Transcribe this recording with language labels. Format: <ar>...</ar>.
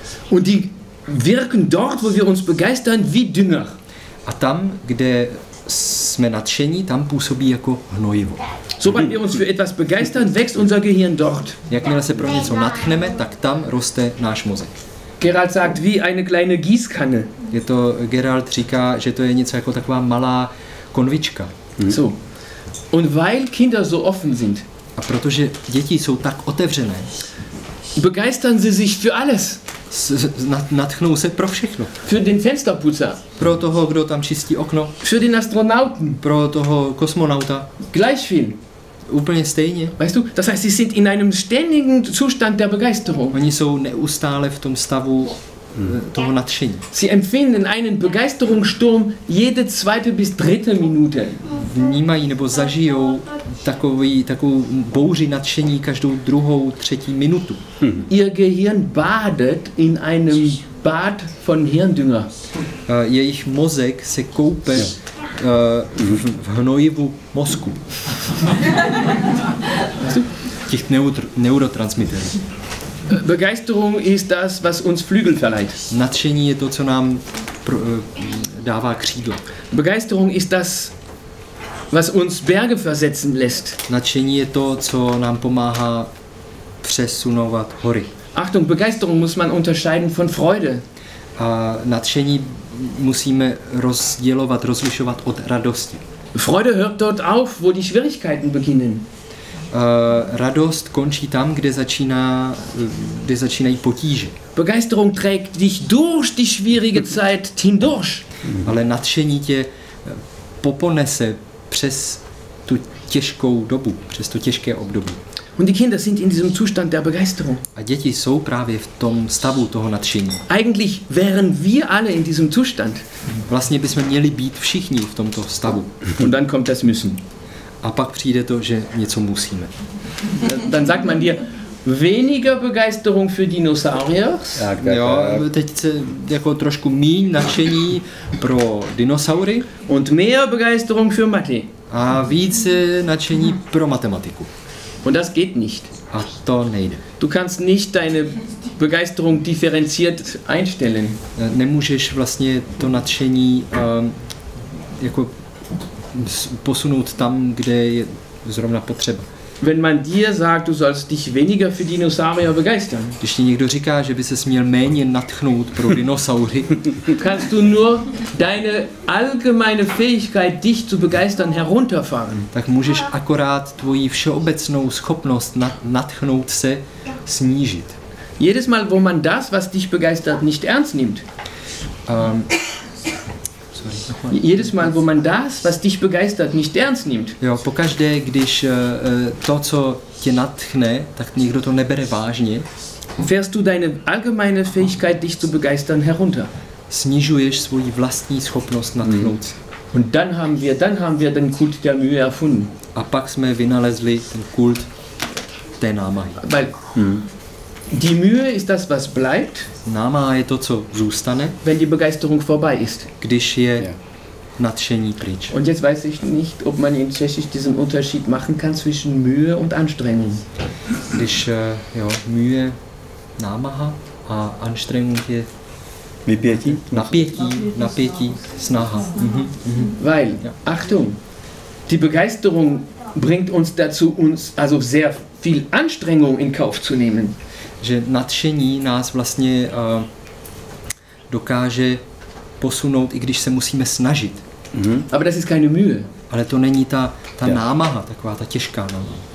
<de>Und die wirken dort, wo wir uns begeistern, wie Dünger.</de> <cs>A tam, kde jsme nadšení, tam působí jako hnojivo.</cs> <de>Sobald wir uns für etwas begeistern, wächst unser Gehirn dort.</de> <cs>Jakmile se pro něco nadchneme, tak tam roste náš mozek.</cs> <de>Gerald sagt, wie eine kleine Gießkanne.</de> <cs>Je to, Gerald říká, že to je něco jako taková malá konvička.</cs> <de>So. Und weil Kinder so offen sind.</de> <cs>A protože děti jsou tak otevřené.</cs> <de>Begeistern sie sich für alles.</de> <cs>Nadchnou se pro všechno.</cs> <de>Für den Fensterputzer.</de> <cs>Pro toho, kdo tam čistí okno.</cs> <de>Für den Astronauten.</de> <cs>Pro toho kosmonauta.</cs> <de>Gleich viel.</de> <cs>Úplně stejně.</cs> <de>Weißt du, das heißt, sie sind in einem ständigen Zustand der Begeisterung.</de> <cs>Oni jsou neustále v tom stavu toho nadšení.</cs> <de>Sie empfinden einen Begeisterungssturm jede zweite bis dritte Minute.</de> <cs>Vnímají nebo zažijou takovou bouři nadšení každou druhou, třetí minutu.</cs> <de>Ihr Gehirn badet in einem Bad von Hirndünger.</de> <cs>Jejich mozek se koupe v hnojivu mozku. Těch neurotransmitterů.</cs> <de>Begeisterung ist das, was uns Flügel verleiht.</de> <cs>Nadšení je to, co nám dává křídla.</cs> <de>Begeisterung ist das, was uns Berge versetzen lässt.</de> <cs>Nadšení je to, co nám pomáhá přesunovat hory.</cs> <de>Achtung, Begeisterung muss man unterscheiden von Freude.</de> <cs>A nadšení musíme rozdělovat, rozlišovat od radosti.</cs> <de>Freude hört dort auf, wo die Schwierigkeiten beginnen.</de> <cs>Radost končí tam, kde začínají potíže.</cs> <de>Begeisterung trägt dich durch die schwierige Zeit hindurch.</de> <cs>Ale nadšení tě poponese přes tu těžkou dobu, přes to těžké období.</cs> <de>Und die Kinder sind in diesem Zustand der Begeisterung.</de> <cs>A děti jsou právě v tom stavu toho nadšení.</cs> <de>Eigentlich wären wir alle in diesem Zustand.</de> <cs>Vlastně bychom měli být všichni v tomto stavu.</cs> <de>Und dann kommt das Müssen.</de> <cs>A pak přijde to, že něco musíme.</cs> <de>Dann sagt man dir weniger Begeisterung für Dinosauriers?</de> <cs>Ja, teď se jako trošku míň nadšení pro dinosaury.</cs> <de>Und mehr Begeisterung für Mathe.</de> <cs>A více nadšení pro matematiku.</cs> <de>Und das geht nicht.</de> <cs>A to nejde.</cs> <de>Du kannst nicht deine Begeisterung differenziert einstellen.</de> <cs>Nemůžeš vlastně to nadšení jako posunout tam, kde je zrovna potřeba.</cs> <de>Wenn man dir sagt, du sollst dich weniger für Dinosaurier begeistern.</de> <cs>Když ti někdo říká, že by ses měl méně nadchnout pro dinosaury.</cs> <de>Kannst du nur deine allgemeine Fähigkeit, dich zu begeistern, herunterfahren.</de> <cs>Tak můžeš akorát tvoji všeobecnou schopnost nadchnout se snížit.</cs> <de>Jedes Mal, wo man das, was dich begeistert, nicht ernst nimmt. Jedes Mal, wo man das, was dich begeistert, nicht ernst nimmt.</de> <cs>Jo, pokaždé, když to, co tě nadchne, tak někdo to nebere vážně.</cs> <de>Fährst du deine allgemeine Fähigkeit, dich zu begeistern, herunter.</de> <cs>Snižuješ svoji vlastní schopnost nadchnout.</cs> <de>Und dann haben wir den Kult der Mühe erfunden.</de> <cs>A pak jsme vynalezli ten kult té námahy.</cs> <de>Weil die Mühe ist das, was bleibt.</de> <cs>Námaha je to, co zůstane.</cs> <de>Wenn die Begeisterung vorbei ist.</de> <cs>Když je nadšení pryč.</cs> <de>Und jetzt weiß ich nicht, ob man in Tschechisch diesen Unterschied machen kann zwischen Mühe und Anstrengung.</de> <cs>Když jo, Mühe, Námaha a Anstrengung je Vypětí? Napětí, snaha.</cs> <de>Weil, Achtung, die Begeisterung bringt uns dazu, uns also sehr viel Anstrengung in Kauf zu nehmen.</de> <cs>Že nadšení nás vlastně dokáže posunout, i když se musíme snažit.</cs> <de>Aber das ist keine Mühe.</de> <cs>Ale to není ta námaha, taková ta těžká námaha.</cs>